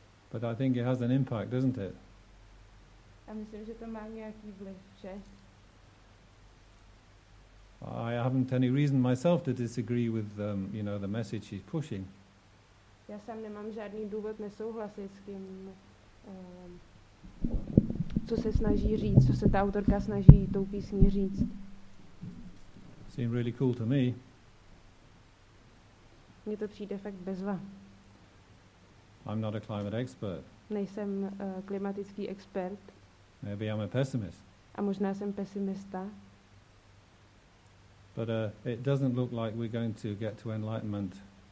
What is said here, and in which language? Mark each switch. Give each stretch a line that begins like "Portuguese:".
English: But I think it has an impact, doesn't it?
Czech: A myslím, že to má nějaký vliv, že?
English: I haven't any reason myself to disagree with you know, the message she's pushing.
Czech: Já sám nemám žádný důvod nesouhlasit s tím, co se snaží říct, co se ta autorka snaží tou písní říct.
English: Seems really cool to me.
Czech: Mně to přijde fakt bezva.
English: I'm not a climate expert.
Czech: Nejsem klimatický expert.
English: Maybe I'm a pessimist.
Czech: A možná jsem pesimista.
English: But it doesn't look like we're going to get to enlightenment.